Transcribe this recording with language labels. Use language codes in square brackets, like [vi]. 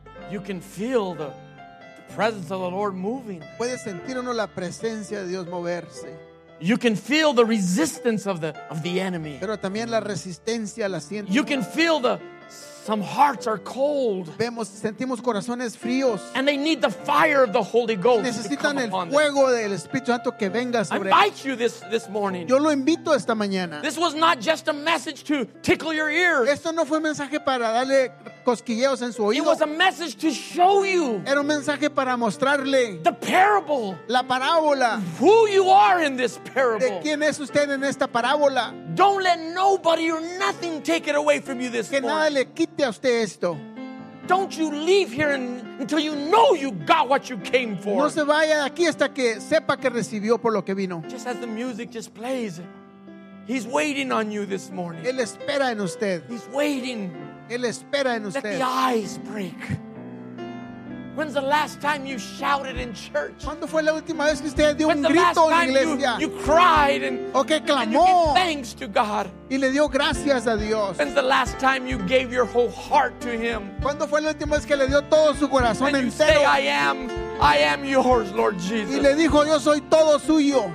[en] You can feel the presence of the Lord moving. [es] Puedes sentir uno la presencia de Dios moverse. [en] You can feel the resistance of the enemy. [es] Pero también la resistencia la siento. [en] You can feel some hearts are cold. [es] Vemos, sentimos corazones fríos. [en] And they need the fire of the Holy Ghost. [es] Necesitan el fuego del Espíritu Santo que venga sobre. [en] I invite you this morning. [es] Yo lo invito esta mañana. [en] This was not just a message to tickle your ears. [es] Esto no fue un mensaje para darle cosquilleos en su oído. [en] It was a message to show you. [es] Era un mensaje para mostrarle. [en] The parable. [es] La parábola. [en] Who you are in this parable. [es] De quién es usted en esta parábola. [en] Don't let nobody or nothing take it away from you this [es] que [en] morning. [es] Que nada le quite a usted esto. [en] Don't you leave here until you know you got what you came for. [es] No se vaya de aquí hasta que sepa que recibió por lo que vino. [en] Just as the music just plays, he's waiting on you this morning. [es] Él espera en usted. [en] He's waiting. [es] Él espera en usted. [en] Let the eyes break. When's the last time you shouted in church? [es] ¿Cuándo fue la última vez que usted dio un grito en la iglesia? [en] When's the last time you cried and, [es] okay, clamó, [en] and you gave thanks to God? [es] Y le dio gracias a Dios. [en] When's the last time you gave your whole heart to Him? [es] ¿Cuándo fue la última vez que le dio todo su corazón [en] and You say, I am I am yours, Lord Jesus. [es] Y le dijo, yo soy todo suyo.